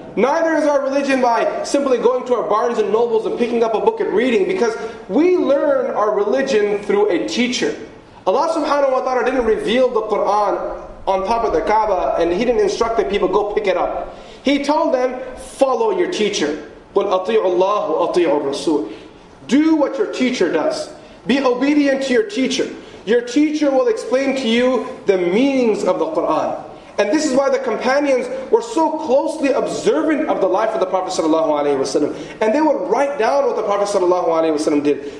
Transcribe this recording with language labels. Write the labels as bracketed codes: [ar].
[en] Neither is our religion by simply going to our Barnes and Nobles and picking up a book and reading, because we learn our religion through a teacher. Allah subhanahu wa ta'ala didn't reveal the Qur'an on top of the Kaaba and He didn't instruct the people, go pick it up. He told them, follow your teacher. [ar] قُلْ أَطِيعُ اللَّهُ وَأَطِيعُ الرَّسُولُ. [en] Do what your teacher does. Be obedient to your teacher. Your teacher will explain to you the meanings of the Qur'an. And this is why the companions were so closely observant of the life of the Prophet sallallahu alaihi wasallam, and they would write down what the Prophet sallallahu alaihi wasallam did.